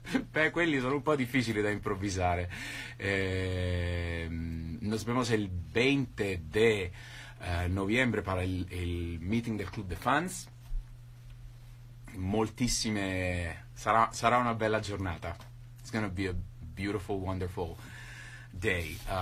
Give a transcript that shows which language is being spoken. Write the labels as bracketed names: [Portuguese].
[Italian] Beh, quelli sono un po' difficili da improvvisare. [Spanish] Nos vemos el 20 de noviembre para el meeting del Club de Fans. [Italian] Moltissime, sarà una bella giornata. [English] It's gonna be a beautiful, wonderful day.